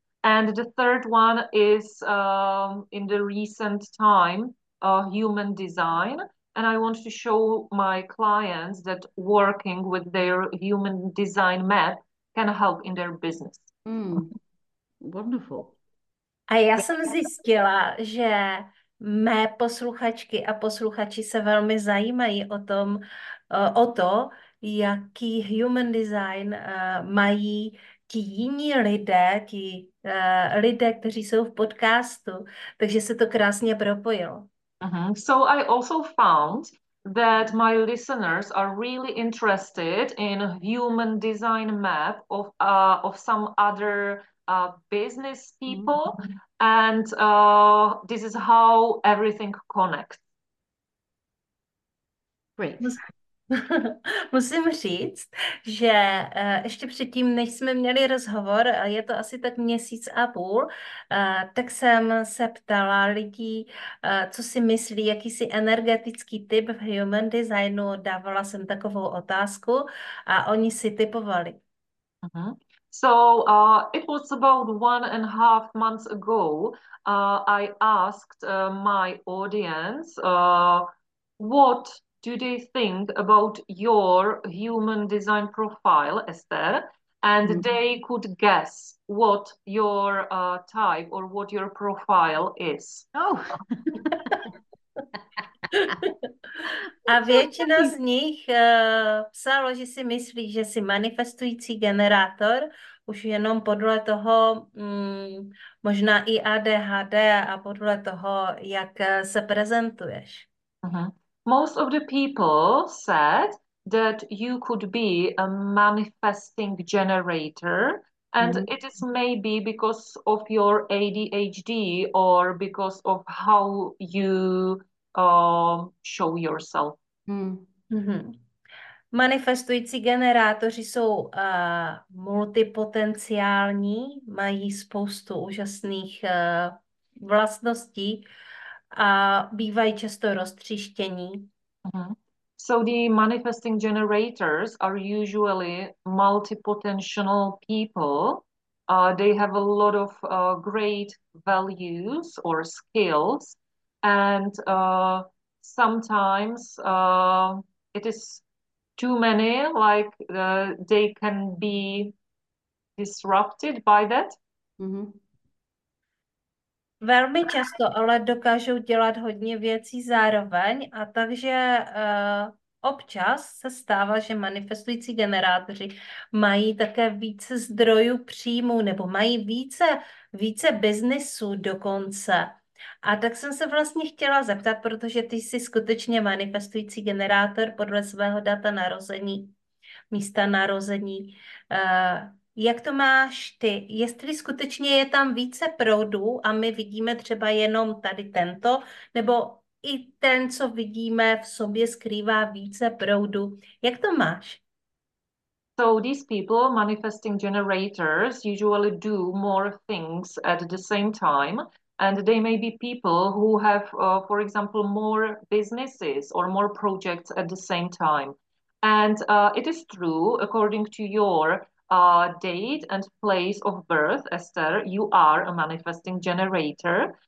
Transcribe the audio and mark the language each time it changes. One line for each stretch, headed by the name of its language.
English: And the third one is in the recent time, human design. And I want to show my clients that working with their human design map can help in their business. Wonderful.
Czech: A já jsem zjistila, že mé posluchačky a posluchači se velmi zajímají o tom, o to, jaký human design mají ti jiní lidé, ti lidé, kteří jsou v podcastu, takže se to krásně propojilo.
English: So I also found that my listeners are really interested in human design map of some other business people, and this is how everything connects. Great.
Czech: Musím říct, že ještě předtím, než jsme měli rozhovor, je to asi tak měsíc a půl, tak jsem se ptala lidí, co si myslí, jaký si energetický typ v human designu. Dávala jsem takovou otázku a oni si typovali.
English: So it was about 1.5 months ago, I asked my audience, what do they think about your human design profile, Esther? And they could guess what your type or what your profile is. Oh.
Czech: A většina z nich psalo, že si myslí, že jsi manifestující generátor, už jenom podle toho, možná i ADHD a podle toho, jak se prezentuješ.
English: Most of the people said that you could be a manifesting generator, and it is maybe because of your ADHD or because of how you show yourself.
Czech: Manifestující generátoři jsou multipotenciální, mají spoustu úžasných vlastností a bývají často roztříštění.
English: So the manifesting generators are usually multipotential people. They have a lot of great values or skills, and sometimes it is too many, like they can be disrupted by that.
Czech: Velmi často ale dokážou dělat hodně věcí zároveň, a takže občas se stává, že manifestující generátoři mají také více zdrojů příjmů nebo mají více biznisů dokonce. A tak jsem se vlastně chtěla zeptat, protože ty jsi skutečně manifestující generátor podle svého data narození, místa narození. Jak to máš ty? Jestli skutečně je tam více proudů a my vidíme třeba jenom tady tento, nebo i ten, co vidíme v sobě, skrývá více proudů. Jak to máš?
English: So these people, manifesting generators, usually do more things at the same time. And they may be people who have, for example, more businesses or more projects at the same time. And it is true, according to your date and place of birth, Esther, you are a manifesting generator.